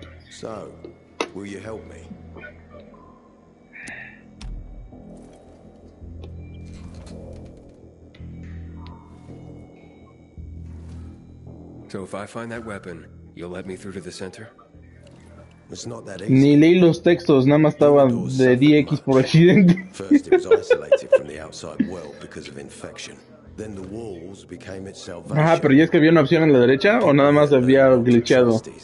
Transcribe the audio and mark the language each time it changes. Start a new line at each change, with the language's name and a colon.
English: So, will you help me? So if I find that weapon, you'll let me through to the center? It's not that easy.
Spanish: Ni leí los textos, nada más estaba de DX por accidente.
English: First it was isolated from the outside world because of infection. Then the walls became its salvation.
Spanish: Ajá, pero ya es que había una opción en la derecha o nada más había glitchado.